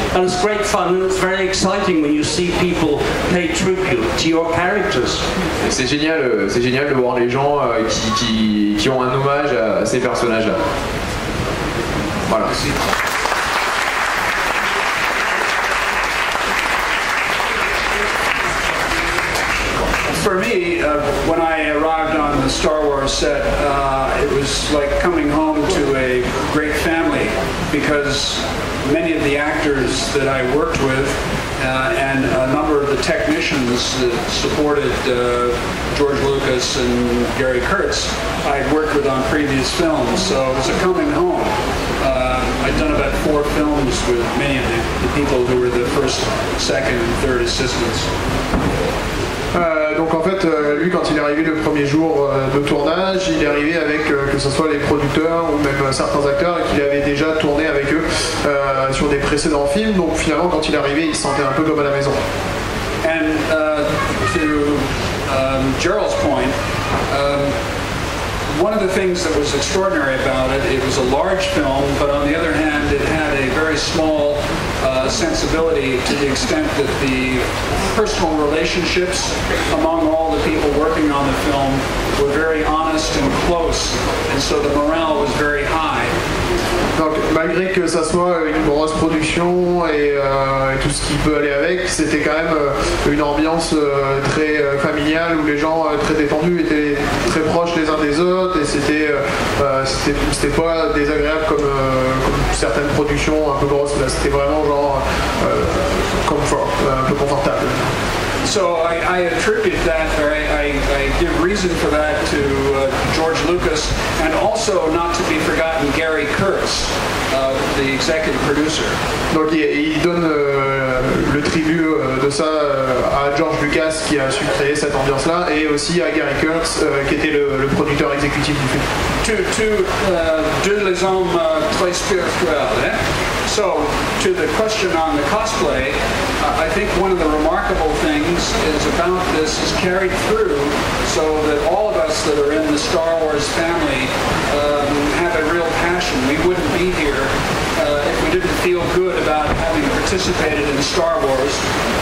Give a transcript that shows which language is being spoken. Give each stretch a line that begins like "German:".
English: And it's great fun, it's very exciting when you see people pay tribute to your characters.
French: Et c'est génial de voir les gens qui ont un hommage à ces personnages-là. Voilà.
English: For me, when I arrived on the Star Wars set, it was like coming home to a great family because many of the actors that I worked with and a number of the technicians that supported George Lucas and Gary Kurtz, I'd worked with on previous films, so it was a coming home. I'd done about 4 films with many of the people who were the first, second, and third assistants.
French: Donc en fait, lui, quand il est arrivé le premier jour de tournage, il est arrivé avec que ce soit les producteurs ou même certains acteurs et qu'il avait déjà tourné avec eux sur des précédents films. Donc finalement, quand il est arrivé, il se sentait un peu comme à la maison.
English: And to Gerald's point, one of the things that was extraordinary about it, it was a large film, but on the other hand, it had a very small sensibility to the extent that the personal relationships among all the people working on the film were very honest and close, and so the morale was very high.
French: Donc, ma malgré que ça soit une grosse production et tout ce qui peut aller avec, c'était quand même une ambiance très familiale où les gens très détendus étaient très proches les uns des autres et c'était pas désagréable comme certaines productions un peu grosses, là c'était vraiment genre un peu confortable.
English: So I attribute that, or I give reason for that to George Lucas, and also, not to be forgotten, Gary Kurtz, the executive producer.
French: Donc il donne le tribut de ça à George Lucas, qui a su créer cette ambiance-là, et aussi à Gary Kurtz, qui était le producteur exécutif du film. To les hommes très spirituels, hein?
English: So, to the question on the cosplay, I think one of the remarkable things is about this is carried through so that all of us that are in the Star Wars family have a real passion. We wouldn't be here if we didn't feel good about having participated in Star Wars.